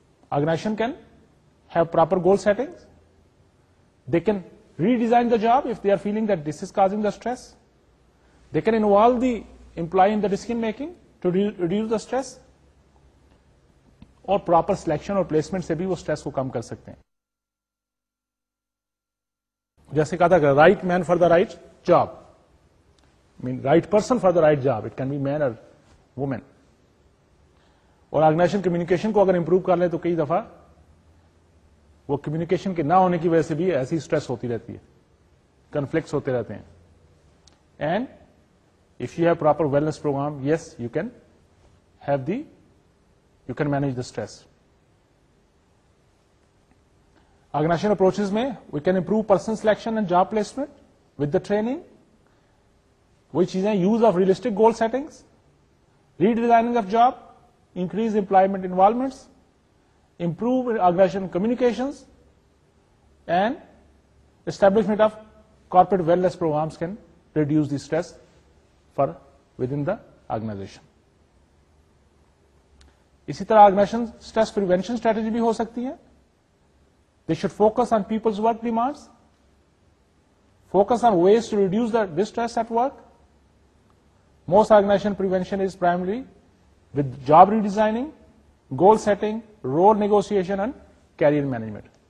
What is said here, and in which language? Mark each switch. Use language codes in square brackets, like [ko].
[en] organisation can have proper goal setting, they can redesign the job if they are feeling that this is causing the stress, they can involve the employee in the decision making to reduce the stress, [ur] اور proper selection اور placement سے بھی وہ stress کو کم کر سکتے ہیں. جیسے کہا تھا [en] Right man for the right job, man right person for the right job, it can be man اور women. [ur] اور آرگنائزیشن کمیونیکیشن کو اگر امپروو کر لیں تو کئی دفعہ وہ کمیونیکیشن کے نہ ہونے کی وجہ سے بھی ایسی اسٹریس ہوتی رہتی ہے, کنفلکٹس ہوتے رہتے ہیں. [en] And if you have proper wellness programme, yes you can have the you can manage the stress. Organisation approaches میں we can improve person selection and job placement with the training. وہی چیزیں, use of realistic goal settings, redesigning of job, increase employment involvements, improve organisation communications and establishment of corporate wellness programmes can reduce the stress for within the organisation. [ur] اسی طرح organization stress prevention strategy بھی ہو سکتی ہے. [en] They should focus on people's work demands, focus on ways to reduce the distress at work. Most organizational prevention is primarily with job redesigning, goal setting, role negotiation and career management.